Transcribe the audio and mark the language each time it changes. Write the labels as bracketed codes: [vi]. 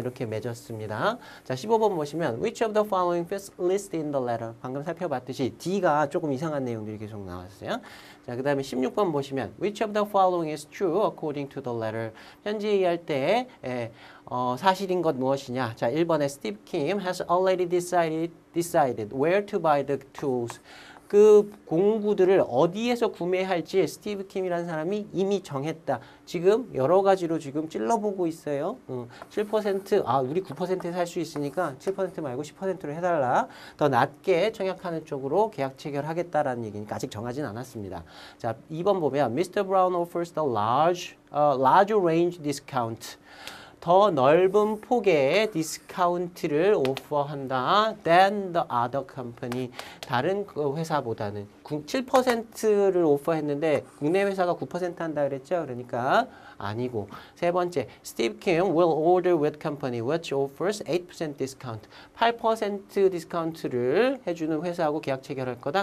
[ko] 이렇게 맺었습니다. 자, 15번 보시면 [en] Which of the following fits list in the letter? [ko] 방금 살펴봤듯이 D가 조금 이상한 내용들이 계속 나왔어요. 자, 그 다음에 16번 보시면 [en] Which of the following is true according to the letter? [ko] 현지 얘기할 때 예, 사실인 것 무엇이냐? [en] 자, 1번에 Steve Kim has already decided where to buy the tools. [ko] 그 공구들을 어디에서 구매할지 스티브 킴이라는 사람이 이미 정했다. 지금 여러 가지로 지금 찔러보고 있어요. 7%, 아, 우리 9%에 살 수 있으니까 7% 말고 10%로 해달라. 더 낮게 청약하는 쪽으로 계약 체결하겠다라는 얘기니까 아직 정하진 않았습니다. [en] 자, 2번 보면 Mr. Brown offers the large range discount. [ko] 더 넓은 폭의 디스카운트를 오퍼한다 [en] than the other company. [ko] 다른 회사보다는 7%를 오퍼했는데 국내 회사가 9% 한다 그랬죠? 그러니까 아니고. [en] 세 번째, Steve Kim will order with company which offers 8% discount. [ko] 8% 디스카운트를 해주는 회사하고 계약 체결할 거다.